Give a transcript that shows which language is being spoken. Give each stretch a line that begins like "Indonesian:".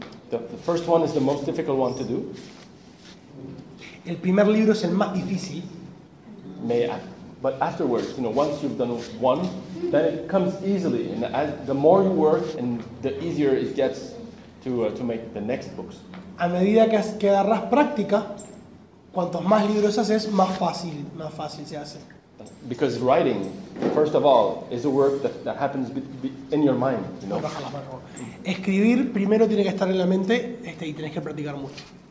English: The first one is the most difficult one to do.
Spanish: El primer libro es el más difícil.
English: But afterwards, you know, once you've done one, then it comes easily. And as, the more you work, and the easier it gets to make the next books.
Spanish: A medida que agarras práctica, cuantos más libros haces, más fácil se hace.
English: Because writing, first of all, is a work that happens in your mind. You know.
Spanish: Escribir primero tiene que estar en la mente, y tienes que practicar mucho.